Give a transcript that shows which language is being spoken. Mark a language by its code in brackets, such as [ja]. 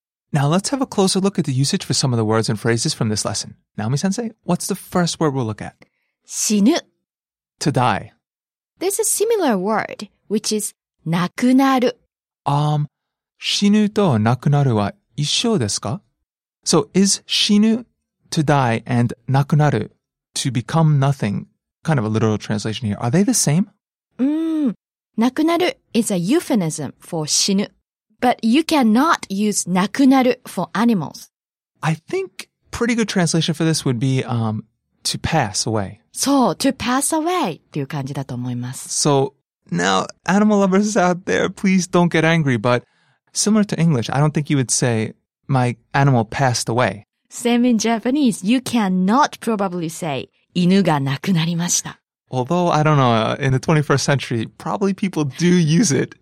[en] Now let's have a closer look at the usage for some of the words and phrases from this lesson. Naomi-sensei, what's the first word we'll look at? [ja] 死ぬ [en] To die. There's a similar word, which is 亡くなる [ja] 死ぬと亡くなるは一緒ですか? [en] So is 死ぬ to die and 亡くなる to become nothing, kind of a literal translation here, are they the same? 亡くなる is a euphemism for 死ぬ But you cannot use 亡くなる for animals. I think pretty good translation for this would be to pass away. [ja] そう、 [en] to pass away [ja] っていう感じだと思います。 [en] So, now, animal lovers out there, please don't get angry, but similar to English, I don't think you would say, my animal passed away. Same in Japanese, you cannot probably say, [ja] 犬が亡くなりました。 [en] Although, I don't know, in the 21st century, probably people do use it.